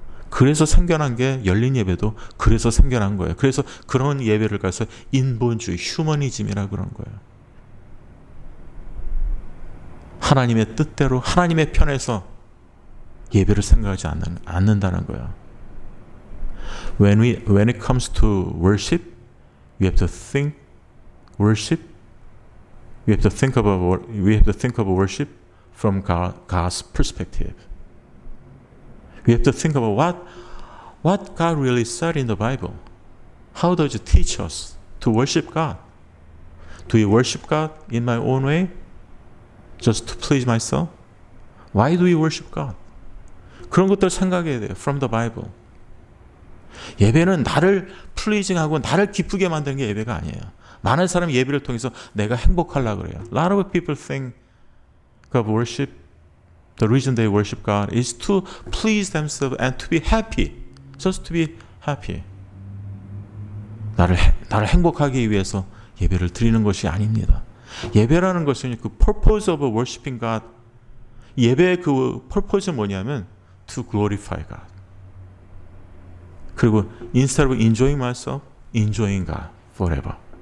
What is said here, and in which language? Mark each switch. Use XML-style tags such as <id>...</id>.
<ko>그래서 생겨난 게 열린 예배도 그래서 생겨난 거예요. 그래서 그런 예배를 가서 인본주의, 휴머니즘이라 그런 거예요. 하나님의 뜻대로 하나님의 편에서 예배를 생각하지 않는다는 거예요.</ko> <en>When it comes to worship, we have to think worship. We have to think about worship from God's perspective. We have to think about what God really said in the Bible. How does it teach us to worship God? Do we worship God in my own way? Just to please myself? Why do we worship God?</en> <ko>그런 것들 생각해야 돼요.</ko> <en>From the Bible.</en> <ko>예배는 나를 플리징하고 나를 기쁘게 만드는 게 예배가 아니에요. 많은 사람이 예배를 통해서 내가 행복하려고 그래요.</ko> <en>A lot of people think of worship. The reason they worship God is to please themselves and to be happy. Just to be happy.</en> <ko>나를 행복하게 위해서 예배를 드리는 것이 아닙니다. 예배라는 것은 그</ko> <en>purpose of worshiping God.</en> <ko>예배의 그</ko> <en>purpose는</en> <ko>뭐냐면</ko> <en>to glorify God.</en> <ko>그리고</ko> <en>instead of enjoying myself, enjoying God forever.</en>